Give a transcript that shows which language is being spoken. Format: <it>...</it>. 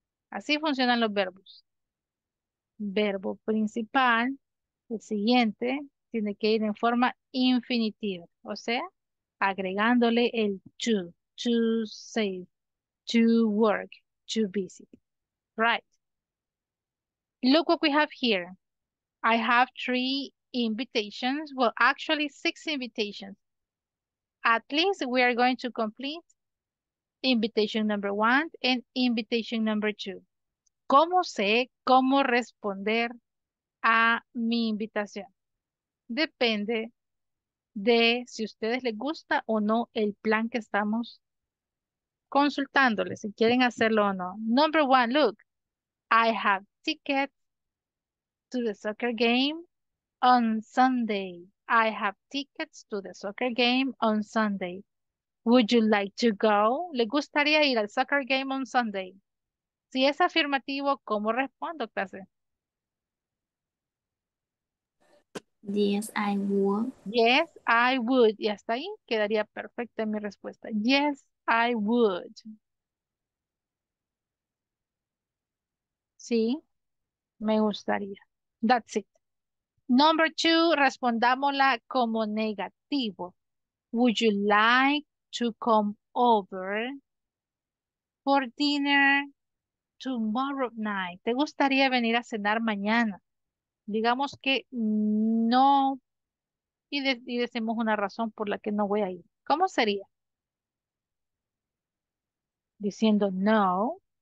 <es>Así funcionan los verbos. Verbo principal, el siguiente tiene que ir en forma infinitiva, o sea, agregándole el</es> <en>to save, to work, to visit. Right. Look what we have here. I have three invitations. Well, actually, six invitations. at least we are going to complete invitation number one and invitation number two.</en> <es>¿Cómo sé cómo responder a mi invitación? Depende de si a ustedes les gusta o no el plan que estamos consultándoles, si quieren hacerlo o no.</es> <en>Number one, look, I have tickets to the soccer game on Sunday. I have tickets to the soccer game on Sunday. Would you like to go?</en> <es>¿Le gustaría ir al</es> <en>soccer game on Sunday?</en> <es>Si es afirmativo, ¿cómo respondo, clase?</es> <en>Yes, I would. Yes, I would.</en> <es>Y hasta ahí quedaría perfecta mi respuesta.</es> <en>Yes, I would.</en> <es>Sí, me gustaría.</es> <en>That's it. Number two,</en> <es>respondámosla como negativo.</es> <en>Would you like to come over for dinner tomorrow night?</en> <es>¿Te gustaría venir a cenar mañana? Digamos que no, y decimos una razón por la que no voy a ir. ¿Cómo sería? Diciendo no,</es>